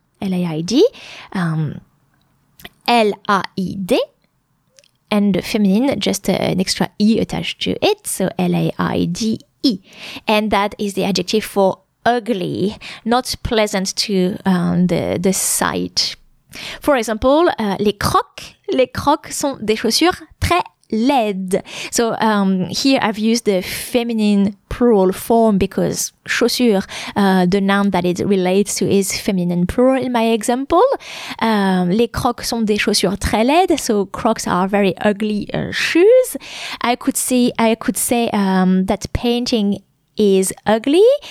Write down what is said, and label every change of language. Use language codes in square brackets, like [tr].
[en] L-A-I-D. L-A-I-D. And the feminine, just an extra E attached to it. So L-A-I-D-E. And that is the adjective for ugly. Not pleasant to the sight. For example, [fr] les crocs sont des chaussures très laides. [en] So here I've used the feminine plural form because chaussure, the noun that it relates to is feminine plural in my example. [fr] Les crocs sont des chaussures très laides. [en] So crocs are very ugly shoes. I could say that painting is ugly.